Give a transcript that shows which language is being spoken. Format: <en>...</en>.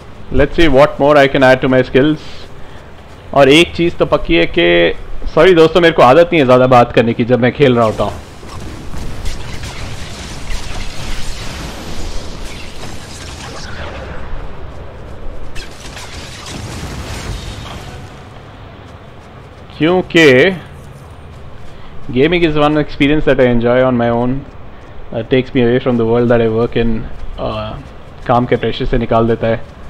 <en>Let's see what more I can add to my skills.</en> <hi>और एक चीज़ तो पक्की है कि सॉरी दोस्तों मेरे को आदत नहीं है ज़्यादा बात करने की जब मैं खेल रहा होता हूँ. क्योंकि</hi> <en>gaming is one experience that I enjoy on my own. Takes me away from the world that I work in.</en> <hi>काम के प्रेशर से निकाल देता है.</hi>